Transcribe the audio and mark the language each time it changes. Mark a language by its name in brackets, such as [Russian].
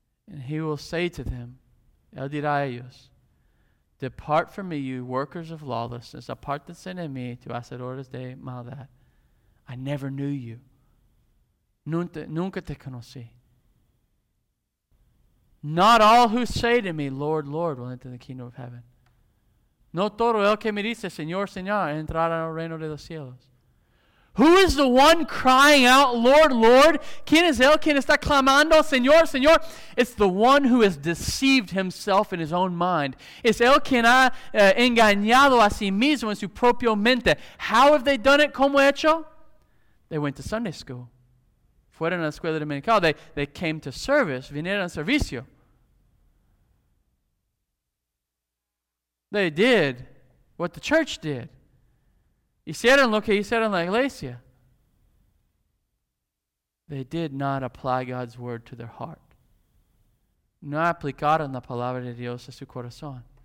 [English] And he will say to them, [Spanish] él dirá a ellos, [English] depart from me, you workers of lawlessness. [Spanish] Apartense de mí, tu hacedores de maldad. [English] I never knew you. [Spanish] Nunca te conocí. [English] Not all who say to me, Lord, Lord, will enter the kingdom of heaven. [Spanish] No todo el que me dice, Señor, Señor, entrará en el reino de los cielos. [English] Who is the one crying out, Lord, Lord? [Spanish] ¿Quién es el que está clamando, Señor, Señor? [English] It's the one who has deceived himself in his own mind. [Spanish] Es el quien ha engañado a sí mismo en su propio mente. [English] How have they done it? [Spanish] ¿Cómo hecho? [English] They went to Sunday school. [Spanish] Fueron a la escuela dominical. [English] They came to service. [Spanish] Vinieron al servicio. [English] They did what the church did. [Spanish] Hicieron lo que hicieron la iglesia. [English] They did not apply God's word to their heart. [Spanish] No aplicaron la palabra de Dios a su corazón.